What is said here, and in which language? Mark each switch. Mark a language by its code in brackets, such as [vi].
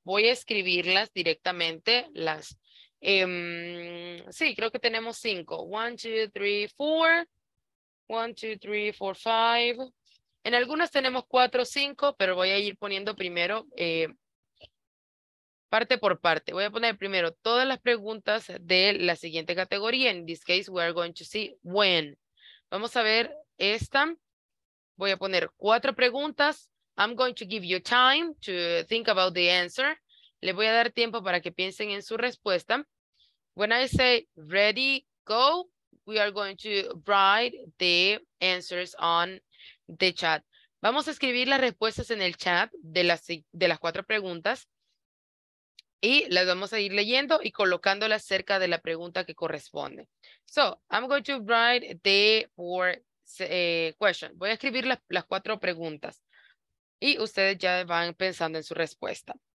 [es] Voy a escribirlas directamente. Sí, creo que tenemos 5. 1, 2, 3, 4. 1, 2, 3, 4, 5. En algunas tenemos 4 o 5, pero voy a ir poniendo primero parte por parte. Voy a poner primero todas las preguntas de la siguiente categoría. [en] In this case, we are going to see when. [es] Vamos a ver esta. Voy a poner 4 preguntas. [en] I'm going to give you time to think about the answer. [es] Le voy a dar tiempo para que piensen en su respuesta. [en] When I say ready, go, we are going to write the answers on the chat. [es] Vamos a escribir las respuestas en el chat de las 4 preguntas y las vamos a ir leyendo y colocándolas cerca de la pregunta que corresponde. [en] So, I'm going to write the 4 questions. [es] Voy a escribir las 4 preguntas y ustedes ya van pensando en su respuesta.